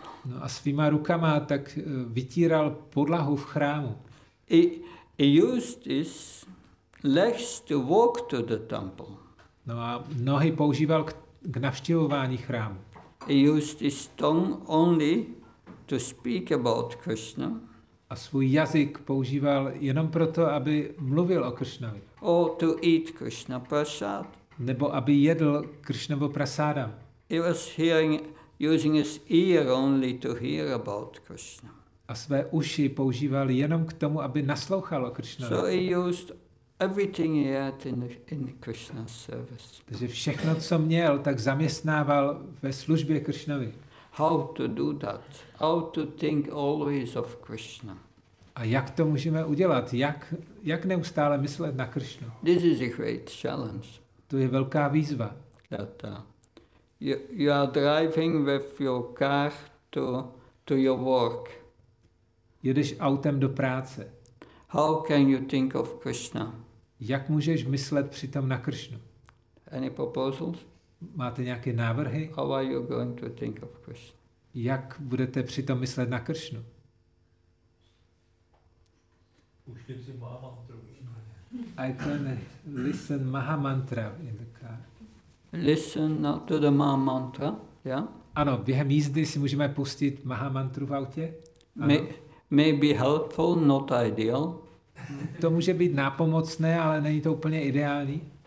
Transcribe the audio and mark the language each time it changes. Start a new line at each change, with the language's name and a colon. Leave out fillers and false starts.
Czech: No a svýma rukama tak vytíral podlahu v chrámu.
English: He used his legs to walk to the temple.
Czech: No a nohy používal k navštěvování chrámu.
English: He used his tongue only to speak about Krishna.
Czech: A svůj jazyk používal jenom proto, aby mluvil o Krishnovi.
English: Or to eat Krishna prasad.
Czech: Nebo aby jedl Krishnovo prasádam.
English: He was hearing, using his ear only to hear about Krishna.
Czech: A své uši používal jenom k tomu, aby naslouchal o Krishnovi.
English: So he used everything he had in Krishna's service.
Czech: Takže všechno, co měl, tak zaměstnával ve službě Krishnovi.
English: How to do that? How to think always of Krishna?
Czech: A jak to můžeme udělat? Jak neustále myslet na Krishnu?
English: This is a great challenge.
Czech: To je velká výzva.
English: That you are driving with your car to your work.
Czech: Jedeš autem do práce.
English: How can you think of Krishna?
Czech: Jak můžeš myslet přitom na Krishnu?
English: Any proposals?
Czech: Máte nějaké návrhy?
English: How are you going to think of Krishna?
Czech: Jak budete přitom myslet na Kršnu? Pouštět si mahamantru.
English: I can listen mahamantra in the car. Listen to the mahamantra, yeah?
Czech: Ano, během jízdy si můžeme pustit mahamantru v autě.
English: May be helpful, not ideal.
Czech: To může být nápomocné, ale není to úplně ideální.